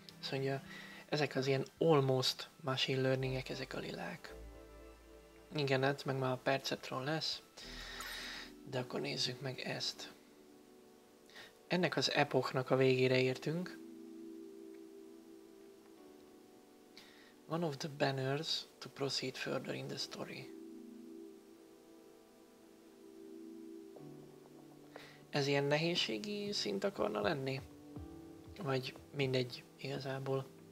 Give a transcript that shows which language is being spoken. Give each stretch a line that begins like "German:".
Hungarian: Mondja, ezek az ilyen
English: almost machine learningek,
Hungarian: ezek a lilák. Igen, hát meg már a perceptron lesz. De akkor nézzük meg ezt. Ennek az epochnak a végére értünk.
English: One of the banners to proceed further in the story.
Hungarian: Ez ilyen nehézségi szint akarna lenni? Vagy mindegy, igazából.